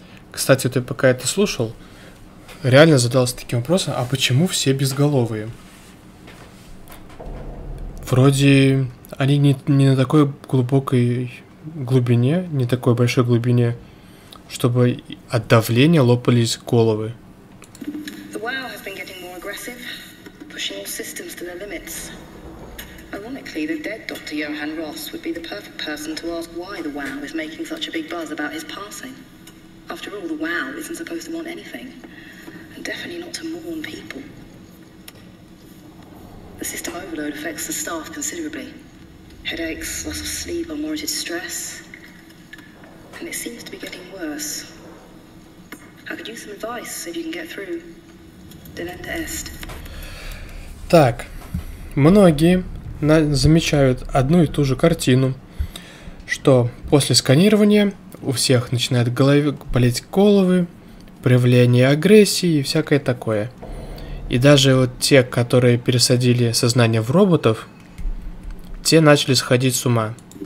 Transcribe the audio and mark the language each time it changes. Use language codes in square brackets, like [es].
[ru] Кстати, ты пока это слушал, реально задался таким вопросом, а почему все безголовые? Вроде... Они не на такой глубокой глубине, не такой большой глубине, чтобы от давления лопались головы. [en] The WoW has been getting more aggressive, pushing all systems to their limits. Ironically, the dead Dr. Johan Ross would be the perfect person to ask why the WoW is making such a big buzz about his passing. After all, the WoW isn't supposed to mourn anything, and definitely not to mourn people. The system overload affects the staff considerably. Headaches, loss of sleep, unwarranted stress. And it seems to be getting worse. I could use some advice, if you can get through. [la] Деленда Эст. [ru] Так, многие замечают одну и ту же картину, что после сканирования у всех начинают болеть головы, проявление агрессии и всякое такое. И даже вот те, которые пересадили сознание в роботов, те начали сходить с ума.